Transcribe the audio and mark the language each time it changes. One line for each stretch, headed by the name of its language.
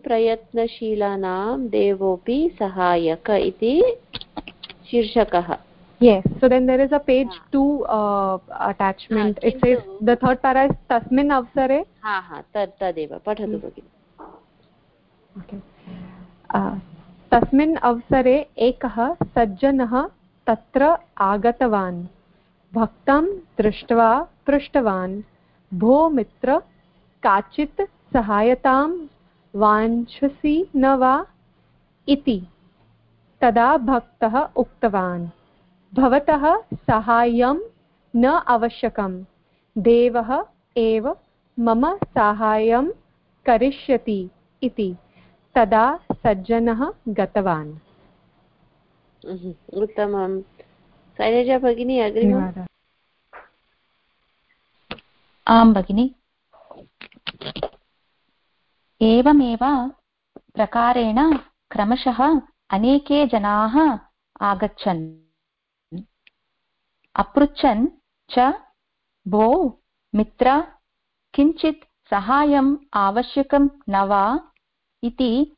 Sanskrit: प्रयत्नशीलानां देवोपि सहायक इति शीर्षकः।
English: Yes, so then there is a page 2 attachment. It says the third para is
Sanskrit: tasmin avsare. Tadeva, padhatu bhagini. Tasmin avsare ekah sajjanah tatra agatavan, bhaktam drishtva prishtavan, bho mitra kachit sahayatam vanchasi nava iti, tada bhaktah uktavan. भवतः साहाय्यं न आवश्यकं, देवः एव मम साहाय्यं करिष्यति इति। तदा सज्जनः गतवान्। उत्तमं, शैलजा भगिनी अग्रिमम्। आं भगिनी, एवमेव प्रकारेण क्रमशः अनेके जनाः आगच्छन् अपृच्छन् च, भो मित्र किञ्चित् सहायम् आवश्यकं न वा इति।